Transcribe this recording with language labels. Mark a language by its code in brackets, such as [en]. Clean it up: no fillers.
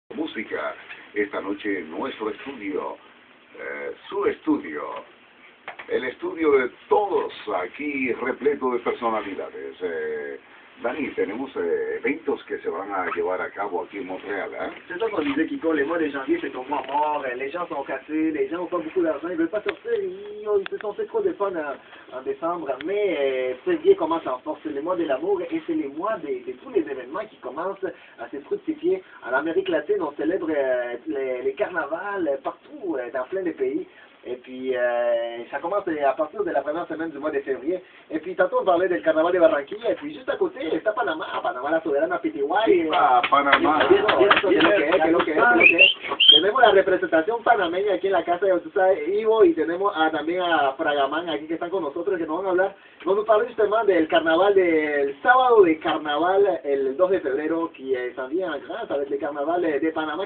[es] música esta noche en nuestro estudio, su estudio, el estudio de todos aquí repleto de personalidades. Dani, tenemos eventos que se van a llevar a cabo aquí en Montréal, ¿eh? [fr] C'est ça qu'on disait, Kiko, les mois de janvier, c'est ton mois mort, les gens sont cassés, les gens n'ont pas beaucoup d'argent, ils veulent pas sortir, ils se sont fait trop de fun en décembre, mais février commence en force, c'est le mois de l'amour, et c'est le mois de tous les événements qui commencent à se fructifier. En Amérique latine, on célèbre les carnavals partout, dans plein de pays. Et puis, ça commence à partir de la première semaine du mois de février. Et puis, tantôt, on parlait du carnaval de Barranquilla. Et puis, juste à côté, c'est à Panama. À Panama, la Soberana, à Pty. Ah, Panama. [es] Tenemos la representación panameña aquí en la casa de Otusa Ivo y tenemos a, también a Fragamán aquí que están con nosotros que nos van a hablar. Vamos a hablar justamente del carnaval, del sábado de carnaval el 2 de febrero, que es también el carnaval de Panamá.